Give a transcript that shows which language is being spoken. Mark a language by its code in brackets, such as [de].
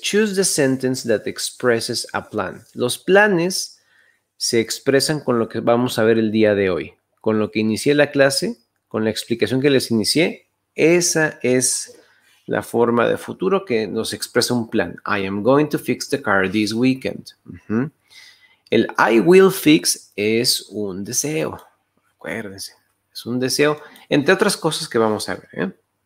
[en] Choose the sentence that expresses a plan. [es] Los planes se expresan con lo que vamos a ver el día de hoy. Con lo que inicié la clase, con la explicación que les inicié, esa es la forma de futuro que nos expresa un plan. [en] I am going to fix the car this weekend. [es] Uh-huh. El [en] I will fix [es] es un deseo. Acuérdense, es un deseo, entre otras cosas que vamos a ver.